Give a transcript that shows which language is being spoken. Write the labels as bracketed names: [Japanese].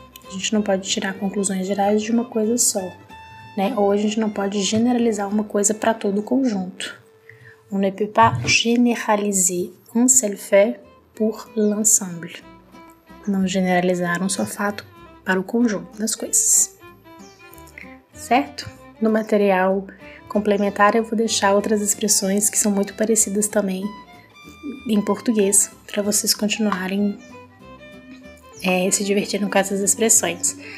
[Portuguese] A gente não pode tirar conclusões gerais de uma coisa só. Né? Ou a gente não pode generalizar uma coisa para todo o conjunto. [French] On ne peut pas généraliser un seul fait pour l'ensemble. [Portuguese] Não generalizar um só fato para o conjunto das coisas. Certo? No material complementar eu vou deixar outras expressões que são muito parecidas também em português, para vocês continuarem se divertindo com essas expressões.